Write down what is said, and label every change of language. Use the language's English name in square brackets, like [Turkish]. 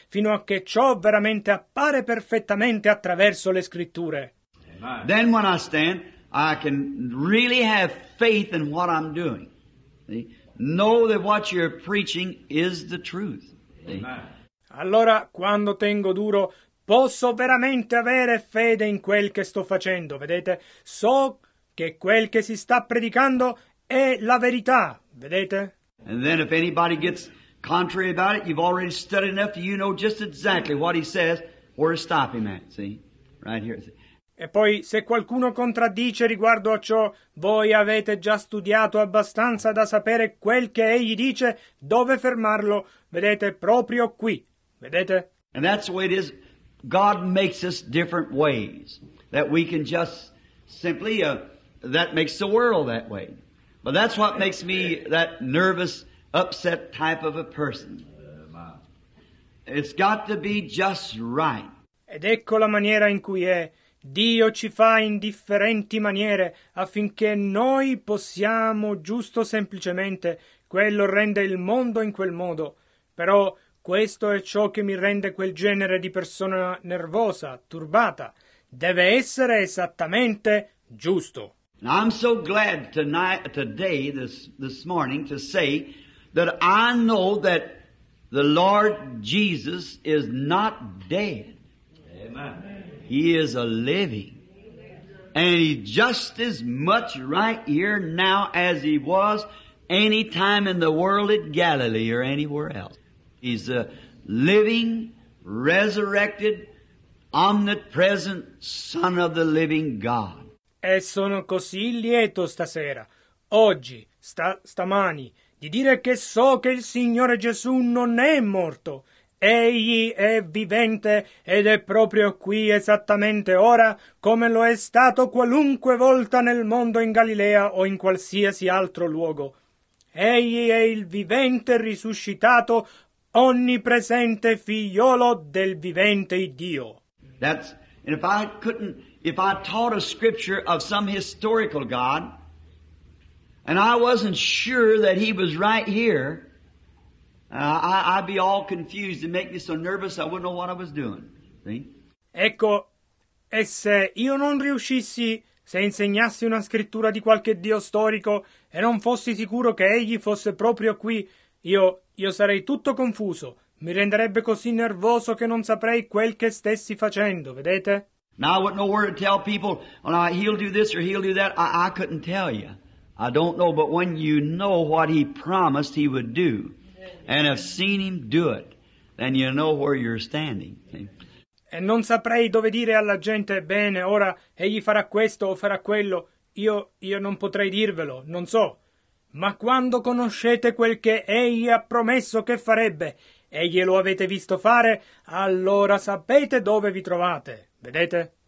[Italian] Fino a che ciò veramente appare perfettamente attraverso le Scritture. [English] Then when I stand, I can really have faith in what I'm doing. See? Know that what you're preaching is the truth. Amen. [Italian] Allora, quando tengo duro, posso veramente avere fede in quel che sto facendo, vedete? So che quel che si sta predicando è la verità, vedete? [English] And then if anybody gets contrary about it, you've already studied enough that you know just exactly what he says, where to stop him at, see? Right here. [Italian] E poi, se qualcuno contraddice riguardo a ciò, voi avete già studiato abbastanza da sapere quel che egli dice, dove fermarlo, vedete, proprio qui, vedete? [English] And that's the way it is. God makes us different ways, that we can just simply, that makes the world that way. But that's what makes me that nervous, upset type of a person. It's got to be just right. [Italian] Ed ecco la maniera in cui è. Dio ci fa in differenti maniere affinché noi possiamo giusto semplicemente, quello rende il mondo in quel modo. Però questo è ciò che mi rende quel genere di persona nervosa, turbata. Deve essere esattamente giusto. [English] And I'm so glad today, this morning, to say that I know that the Lord Jesus is not dead. Amen. He is a living. And He's just as much right here now as He was any time in the world at Galilee or anywhere else. He's a living, resurrected, omnipresent Son of the living God. [Italian] E sono così lieto stasera, oggi, stamani, di dire che so che il Signore Gesù non è morto. Egli è vivente ed è proprio qui esattamente ora, come lo è stato qualunque volta nel mondo in Galilea o in qualsiasi altro luogo. Egli è il vivente risuscitato, onnipresente figliolo del vivente Dio. [English] That's, and if I taught a scripture of some historical God, and I wasn't sure that He was right here, I'd be all confused and make me so nervous I wouldn't know what I was doing. See? [Italian] Ecco, e se io non riuscissi, se insegnassi una scrittura di qualche Dio storico e non fossi sicuro che Egli fosse proprio qui, io sarei tutto confuso. Mi renderebbe così nervoso che non saprei quel che stessi facendo, vedete? [English] Now I wouldn't know where to tell people, well, now He'll do this or He'll do that. I couldn't tell you. I don't know, but when you know what He promised He would do, and have seen Him do it, then you know where you're standing. [Italian] E non saprei dove dire alla gente, bene, ora Egli farà questo o farà quello, io non potrei dirvelo, non so. Ma quando conoscete quel che Egli ha promesso che farebbe, e glielo avete visto fare, allora sapete dove vi trovate, vedete?